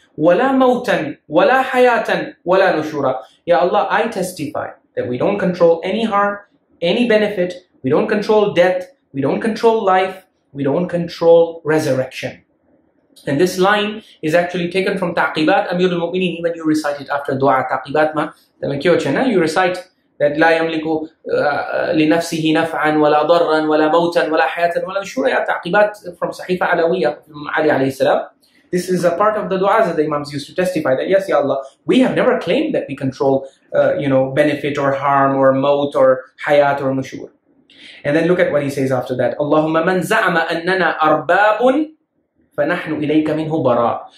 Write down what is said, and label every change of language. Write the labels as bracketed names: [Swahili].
[Arabic] وَلَا مَوْتًا وَلَا حَيَاتًا وَلَا نُشُورًا. [English] Ya Allah, I testify that we don't control any harm, any benefit. We don't control death. We don't control life. We don't control resurrection. And this line is actually taken from Taqibat Amirul Mu'minin. Even you recite it after dua Taqibat ma. You recite that [Arabic] لا يملك لنفسه نفعا ولا ضرا ولا موتا ولا حياة ولا نشورا. [English] Taqibat from Sahifa Alawiya from Ali alayhi salam. This is a part of the du'as that the Imams used to testify that, yes, Ya Allah, we have never claimed that we control, benefit or harm or maut or hayat or nushur. And then look at what he says after that. [Arabic] Allahumma man za'ama annana arbabun فَنَحْنُ إِلَيْكَ مِنْهُ بَرَاءٌ.